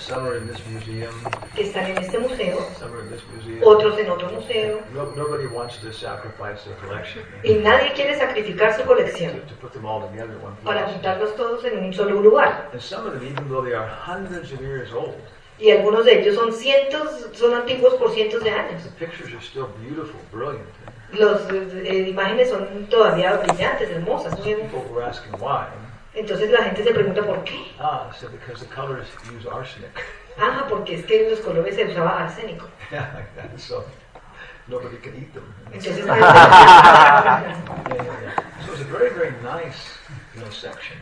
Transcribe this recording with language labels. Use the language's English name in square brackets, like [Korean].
[English] Some are in this museum. [Spanish] Que están en este museo. [English] Some are in this museum. [Spanish] Otros en otro museo. [English] No, nobody wants to sacrifice their collection. [Spanish] Y nadie quiere sacrificar su colección. [English] To put them all together in one place. [Spanish] Para juntarlos todos en un solo lugar. [English] And some of them, even though they are hundreds of years old. [Spanish] Y algunos de ellos son cientos, son antiguos por cientos de años. [English] The pictures are still beautiful, brilliant. [Spanish] Las imágenes son todavía brillantes, hermosas. [English] People were asking why. [Spanish] Entonces la gente se pregunta por qué. [English] Ah, so because the colors use arsenic. [Spanish] Ah, porque es que en los colores se usaba arsénico. [English] Yeah, like that. So nobody can eat them. [Spanish] Entonces. [English] So it's a very, very nice, you know, section.